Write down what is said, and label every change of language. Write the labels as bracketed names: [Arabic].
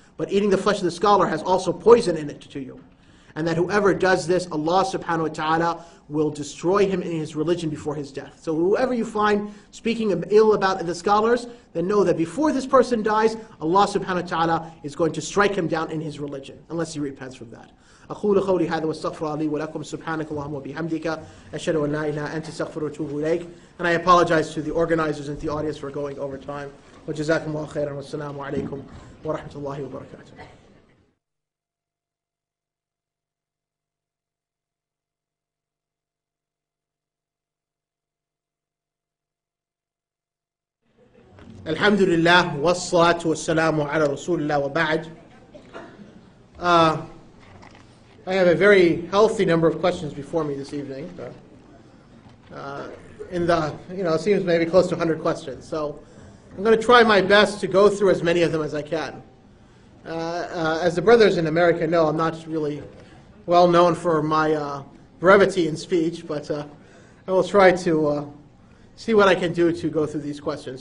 [English] But eating the flesh of the scholar has also poison in it to you. And that whoever does this, Allah subhanahu wa ta'ala will destroy him in his religion before his death. So whoever you find speaking ill about the scholars, then know that before this person dies, Allah subhanahu wa ta'ala is going to strike him down in his religion, unless he repents from that. [Arabic] أقول قولي هذا واستغفر لي ولكم سبحانك اللهم وبحمدك أشهد أن لا إله إلا أنت استغفرك واتوب إليك. [English] And I apologize to the organizers and the audience for going over time. [Arabic] وجزاكم الله خيرا والسلام عليكم ورحمة الله وبركاته. الحمد لله والصلاة والسلام على رسول الله وبعد. [English] I have a very healthy number of questions before me this evening. It seems maybe close to 100 questions. So I'm going to try my best to go through as many of them as I can. As the brothers in America know, I'm not really well known for my brevity in speech, but I will try to see what I can do to go through these questions.